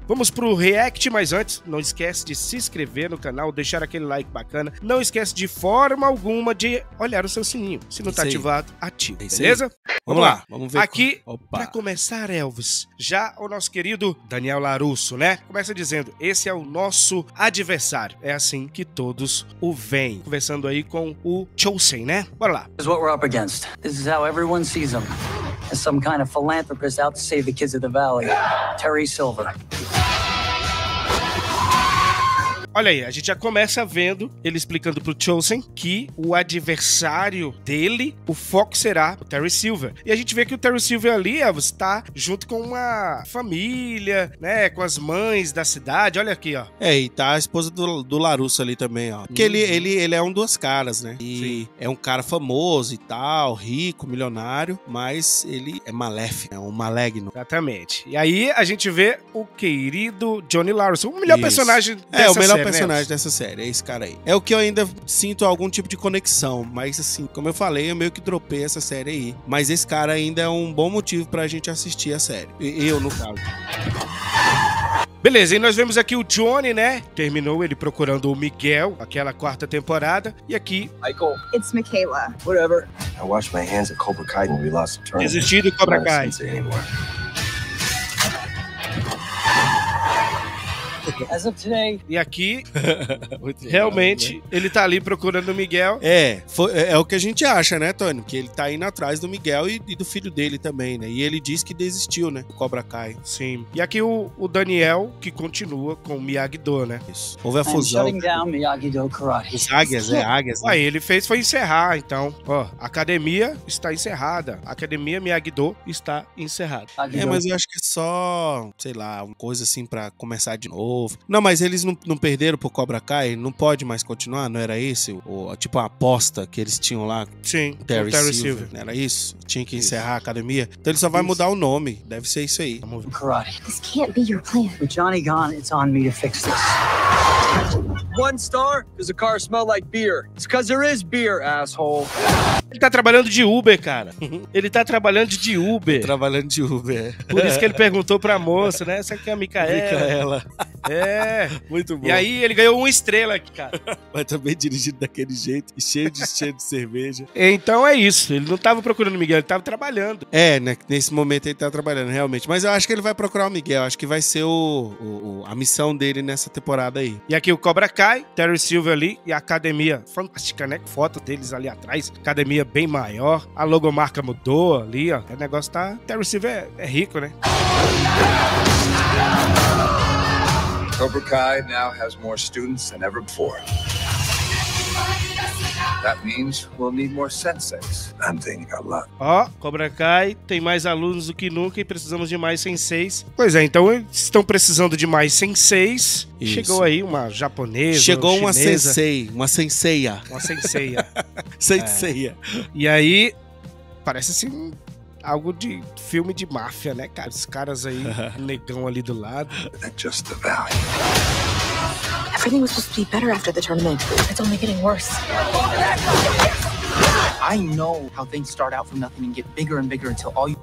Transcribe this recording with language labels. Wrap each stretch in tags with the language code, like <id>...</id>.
<pt>Vamos pro react, mas antes, não esquece de se inscrever no canal, deixar aquele like bacana, não esquece de forma alguma de olhar o seu sininho, se não tá ativado, ativa, beleza? Vamos lá, vamos ver. Aqui, pra começar, Elvis, já o nosso querido Daniel LaRusso, né? Começa dizendo, esse é o nosso adversário, é assim que todos o veem. Conversando aí com o Chosen, né? Bora lá.</pt> <en>This is what we're up against. This is how everyone sees him. As some kind of philanthropist out to save the kids of the valley. Terry Silver.</en> <pt>Olha aí, a gente já começa vendo ele explicando pro Chosen que o adversário dele, o foco será o Terry Silver. E a gente vê que o Terry Silver ali, Elvis, tá junto com uma família, né, com as mães da cidade, olha aqui, ó. É, e tá a esposa do LaRusso ali também, ó. Porque ele é um duas caras, né? E sim, é um cara famoso e tal, rico, milionário, mas ele é maléfico, é um maligno. Exatamente. E aí a gente vê o querido Johnny LaRusso, o melhor personagem dessa série. É o personagem dessa série, é esse cara aí. É o que eu ainda sinto algum tipo de conexão, mas assim, como eu falei, eu meio que dropei essa série aí. Mas esse cara ainda é um bom motivo pra gente assistir a série. Eu, no caso. Beleza, e nós vemos aqui o Johnny, né? Terminou ele procurando o Miguel, aquela quarta temporada. E aqui...</pt> <en>Michael. It's Michaela. Whatever. I washed my hands at Cobra Kai when we lost the tournament.</en> <pt>Desistir do Cobra Kai.</pt> <en>As of today.</en> <pt>E aqui, realmente, ele tá ali procurando o Miguel. É, é o que a gente acha, né, Tony? Que ele tá indo atrás do Miguel e do filho dele também, né? E ele diz que desistiu, né? O Cobra Kai. Sim. E aqui o Daniel, que continua com o Miyagi-Do, né? Isso. Houve a fusão. Miyagi-Do karate. Os águias, é, águias. Né? Aí ele fez foi encerrar, então. Ó, a academia está encerrada. A academia Miyagi-Do está encerrada. É, mas eu acho que é só, sei lá, uma coisa assim pra começar de novo. Não, mas eles não perderam pro Cobra Kai? Não pode mais continuar? Não era esse? Tipo, a aposta que eles tinham lá? Sim, Terry Silver. Era isso? Tinha que encerrar a academia? Então ele só vai mudar o nome. Deve ser isso aí. Vamos ver.</pt> <en>Karate. This can't be your plan. With Johnny gone, it's on me to fix this. One star? Because the car smelled like beer. It's because there is beer, asshole.</en> <pt>Ele tá trabalhando de Uber, cara. Ele tá trabalhando de Uber. Trabalhando de Uber. Por isso que ele perguntou pra moça, né? Essa aqui é a Micaela. Micaela. É. Muito bom. E aí ele ganhou uma estrela aqui, cara. Mas também dirigido daquele jeito e cheio de cerveja. Então é isso. Ele não tava procurando o Miguel, ele tava trabalhando. É, né? Nesse momento ele tá trabalhando, realmente. Mas eu acho que ele vai procurar o Miguel. Acho que vai ser a missão dele nessa temporada aí. E aqui o Cobra Kai, Terry Silver ali e a academia. Fantástica, né? Foto deles ali atrás. Academia bem maior. A logomarca mudou ali, ó. O negócio tá... Terry Silver é rico, né?</pt> <en>Cobra Kai now has more students than ever before. That means we'll need more senseis. I'm thinking a lot.</en> <pt>Ó, Cobra Kai tem mais alunos do que nunca e precisamos de mais senseis. Pois é, então estão precisando de mais senseis. Isso. Chegou aí uma japonesa. Chegou chinesa. Uma sensei. Uma senseia. Uma senseia. Senseia. É. E aí, parece assim. Algo de filme de máfia, né, cara? Os caras aí, negão ali do lado.</pt> <en>É just the valley. Everything was supposed to be better after the tournament. It's only getting worse. I know how things start out from nothing and get bigger and bigger until all you...</en>